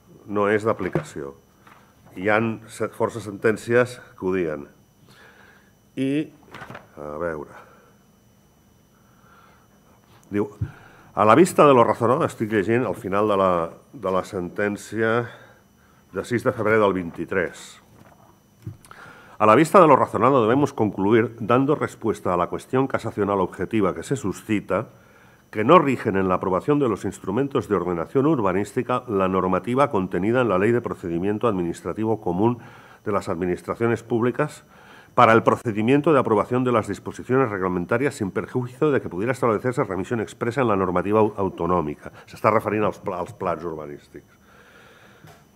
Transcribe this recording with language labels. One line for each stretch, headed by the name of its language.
Catalan: No és d'aplicació. Hi ha força sentències que ho diuen. I, a veure... Diu,
Spanish: a la vista de lo razonado,
Catalan: estic llegint al final de la sentència de 6 de febrer del 23.
Spanish: A la vista de lo razonado debemos concluir, dando respuesta a la cuestión casacional objetiva que se suscita, que no rigen en la aprobación de los instrumentos de ordenación urbanística la normativa contenida en la Ley de Procedimiento Administrativo Común de las Administraciones Públicas, para el procedimiento de aprobación de las disposiciones reglamentarias sin perjuicio de que pudiera establecerse remisión expresa en la normativa autonómica.
Catalan: S'està referint als plans urbanístics.